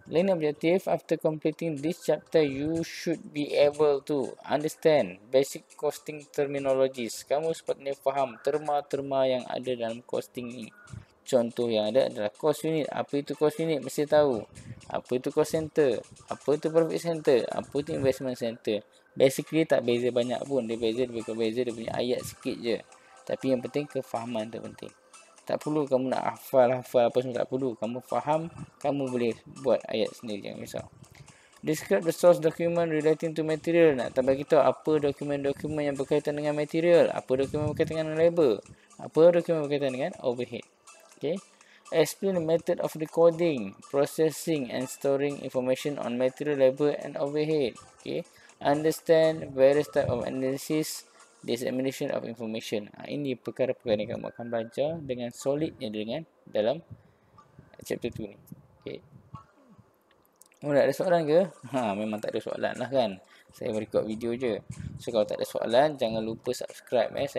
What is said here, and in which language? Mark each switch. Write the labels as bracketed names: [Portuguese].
[English] Learning objective, after completing this chapter, you should be able to understand basic costing terminologies. [Malay] Kamu sepatutnya faham terma-terma yang ada dalam costing ini. Contoh yang ada adalah cost unit. Apa itu cost unit? Mesti tahu. Apa itu cost center? Apa itu profit center? Apa itu investment center? Basically, tak beza banyak pun. Dia beza, dia berbeza, dia punya ayat sikit je. Tapi yang penting, kefahaman terpenting. Tak perlu kamu nak hafal-hafal apa semua, tak perlu. Kamu faham, kamu boleh buat ayat sendiri. Jangan risau. [English] Describe the source document relating to material. [Malay] Nak tambah kita apa dokumen-dokumen yang berkaitan dengan material. Apa dokumen berkaitan dengan label. Apa dokumen berkaitan dengan overhead. Okay. [English] Explain the method of recording, processing and storing information on material, label and overhead. Okay. Understand various type of analysis. Dissemination of information. [Malay] Ha, ini perkara-perkara yang kamu akan belajar dengan solidnya dengan dalam chapter 2 ni. Okay. Oh, ada soalan ke? Ha, memang tak ada soalan lah kan. Saya merekod video je. So, kalau tak ada soalan, jangan lupa subscribe eh.